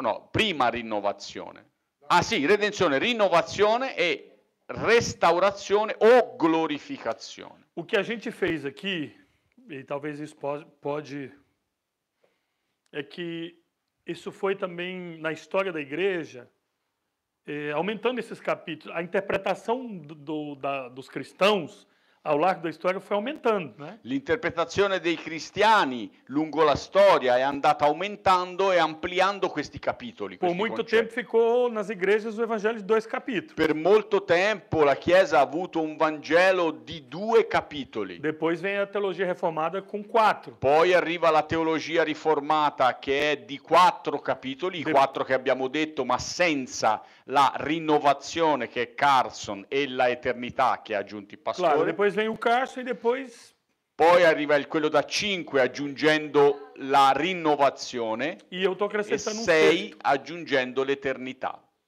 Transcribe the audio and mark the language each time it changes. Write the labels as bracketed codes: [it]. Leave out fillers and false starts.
[it] Prima rinnovazione. Ah sì, redenzione, rinnovazione e restaurazione o glorificazione. [pt] O che a gente fez aqui, e talvez isso pode. [it] È che. [pt] Isso foi também na história da igreja, aumentando esses capítulos. A interpretação dos cristãos ao largo da história foi aumentando, né? [it] L'interpretazione dei cristiani lungo la storia è andata aumentando e ampliando questi capitoli. [pt] Por muito tempo ficou nas igrejas o evangelho de dois capítulos. [it] Per molto tempo la chiesa ha avuto un vangelo di due capitoli. [pt] Depois vem a teologia reformada com quatro. [it] Poi arriva la teologia riformata che è di quattro capitoli, i quattro che abbiamo detto, ma senza la rinnovazione che è Carson e la eternità che ha aggiunto il pastore. [pt] Claro, depois vem o Carson e depois... [it] Poi arriva quello da 5 aggiungendo la rinnovazione [pt] e eu tô acrescentando [it] e 6 aggiungendo l'eternità.